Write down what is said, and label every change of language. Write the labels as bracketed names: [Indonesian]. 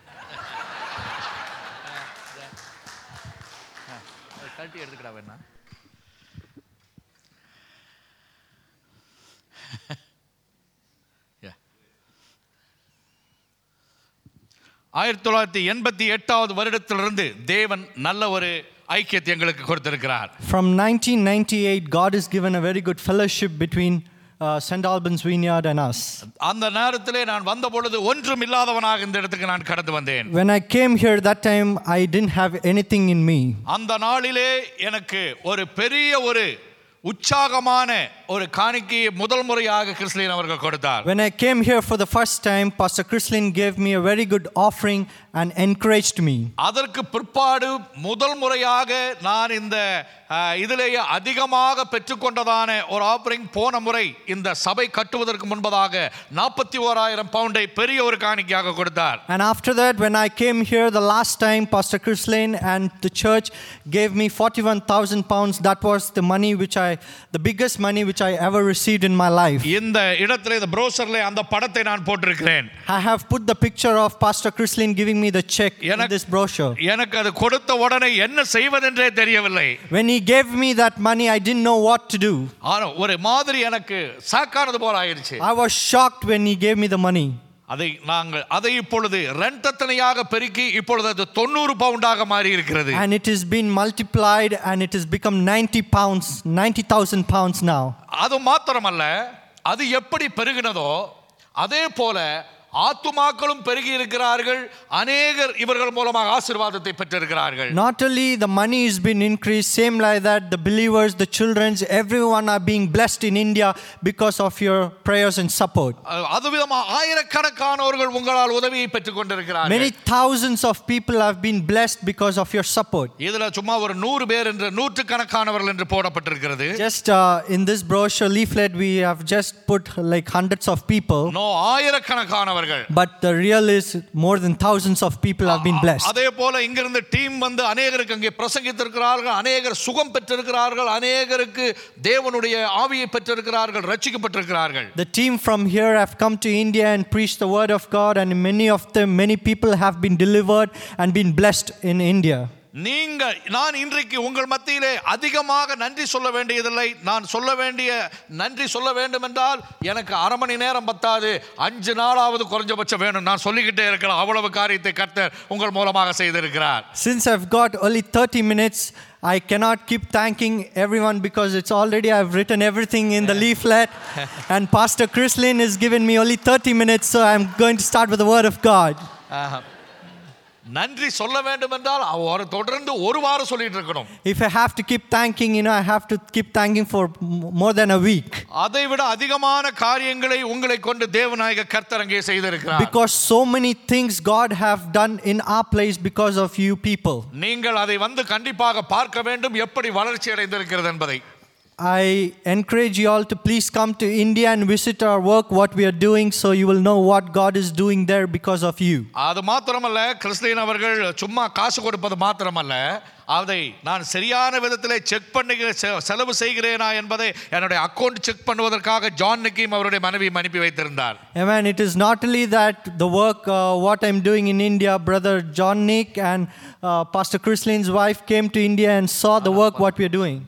[Tamil] எட்டாவது வருடத்திலிருந்து தேவன் நல்ல ஒரு ஐக்கியத்தை எங்களுக்கு கொடுத்திருக்கிறார். [English] From 1998, God has given a very good fellowship between St. Albans Vineyard and us. [Tamil] அந்த நேரத்திலே நான் வந்தபொழுது ஒன்றும் இல்லாதவனாக இந்த இடத்துக்கு நான் கடந்து வந்தேன். [English] When I came here that time, I didn't have anything in me. [Tamil] அந்த நாளிலே எனக்கு ஒரு பெரிய ஒரு உற்சாகமான ஒரு காணிக்கையை முதல் முறையாக கிறிஸ்லின் அவர்கள் கொடுத்தார். [English] When I came here for the first time, Pastor Krislin gave me a very good offering and encouraged me. [Tamil] அதற்கு பிற்பாடு முதல் முறையாக நான் இந்த இதிலேயே அதிகமாக பெற்றுக்கொண்டதான ஒரு ஆஃபரிங் போன முறை இந்த சபை கட்டுவதற்கு முன்பதாக 41,000 பவுண்டை பெரிய ஒரு காணிக்கையாக கொடுத்தார். [English] And after that, when I came here the last time, Pastor Krislin and the church gave me 41,000 pounds. That was the money which I, the biggest money which I ever received in my life. [Tamil] இந்த இடத்திலே இந்த பிரோச்சர்லே அந்த படத்தை நான் போட்டிருக்கிறேன். [English] I have put the picture of Pastor Krislin giving me the check in this brochure. [Tamil] எனக்கு அது கொடுத்த உடனே என்ன செய்வதென்றே தெரியவில்லை. [English] When he gave me that money, I didn't know what to do. [Tamil] ஒரு மாதிரி எனக்கு சாக்கானது போல ஆயிருச்சு. [English] I was shocked when he gave me the money. [Tamil] அதை நாங்கள் அதை இப்பொழுது ரெண்டத்தனையாக பெருக்கி இப்பொழுது அது 90 பவுண்டாக மாறி இருக்கிறது. [English] And it has been multiplied and it has become 90,000 pounds now. [Tamil] அது மாத்திரமல்ல, அது எப்படி பெருகினதோ அதே போல ஆத்துமாக்களும் பெருகி இருக்கிறார்கள். அநேகர் இவர்கள் மூலமாக ஆசீர்வாதத்தை பெற்றிருக்கிறார்கள். [English] Not only the money has been increased, same like that the believers, the children, everyone are being blessed in India because of your prayers and support. [Tamil] அதுவிதமா ஆயிரக்கணக்கானவர்கள் உங்களால் உதவியை பெற்றுக் கொண்டிருக்கிறார்கள். [English] Many thousands of people have been blessed because of your support. [Tamil] இதுல சும்மா ஒரு 100 பேர் என்று நூற்று கணக்கானவர்கள் என்று போடப்பட்டிருக்கிறது. [English] Just in this brochure leaflet we have just put like hundreds of people. [Tamil] No, ஆயிரக்கணக்கான. [English] But the real is more than thousands of people have been blessed. [Tamil] அதே போல இங்கிருந்து டீம் வந்து அநேகருக்கு அங்கே பிரசங்கித்திருக்கிறார்கள், அநேகர் சுகம் பெற்றிருக்கிறார்கள், அநேகருக்கு தேவனுடைய ஆவியை பெற்றிருக்கிறார்கள், ரட்சிக்கப்பட்டிருக்கிறார்கள். [English] The team from here have come to India and preached the word of God and many of them, many people have been delivered and been blessed in India. [Tamil] நீங்க நான் இன்றைக்கு உங்கள் மத்தியிலே அதிகமாக நன்றி சொல்ல வேண்டியதில்லை. நான் சொல்ல வேண்டிய நன்றி சொல்ல வேண்டும் என்றால் எனக்கு அரை மணி நேரம் பத்தாது, 5 நாளாவது குறைஞ்சபட்சம் வேணும். நான் சொல்லிக்கிட்டே இருக்கலாம், அவ்வளவு காரியத்தை கர்த்தர் உங்கள் மூலமாக செய்திருக்கிறார். [English] Since I've got only 30 minutes, I cannot keep thanking everyone because it's already I've written everything in the leaflet and Pastor Krislin has given me only 30 minutes, so I'm going to start with the word of God. [Tamil] நன்றி சொல்ல வேண்டும் என்றால் அவர் தொடர்ந்து ஒரு வாரம் சொல்லிட்டு இருக்கணும். [English] If I have to keep thanking, you know, I have to keep thanking for more than a week. [Tamil] அதை விட அதிகமான காரியங்களை உங்களை கொண்டு தேவநாயக கர்த்தர் அங்கே செய்திருக்கிறார். [English] Because so many things God have done in our place because of you people. [Tamil] நீங்கள் அதை வந்து கண்டிப்பாக பார்க்க வேண்டும், எப்படி வளர்ச்சி அடைந்திருக்கிறது என்பதை. [English] I encourage you all to please come to India and visit our work, what we are doing, so you will know what God is doing there because of you. [Tamil] அது மாத்திரமல்ல, கிறிஸ்தீன் அவர்கள் சும்மா காசு கொடுப்பது மாத்திரமல்ல, அதை நான் சரியான விதத்திலே செக் பண்ணுகிறேன், செலவு செய்கிறேனா என்பதை என்னுடைய அக்கௌண்ட் செக் பண்ணுவதற்காக ஜான்னுக்கும் அவருடைய மனைவியும் அனுப்பி வைத்திருந்தார். [English] Amen. It is not only that the work what I'm doing in India, brother John Nick and Pastor Krislin's wife came to India and saw the work what we are doing.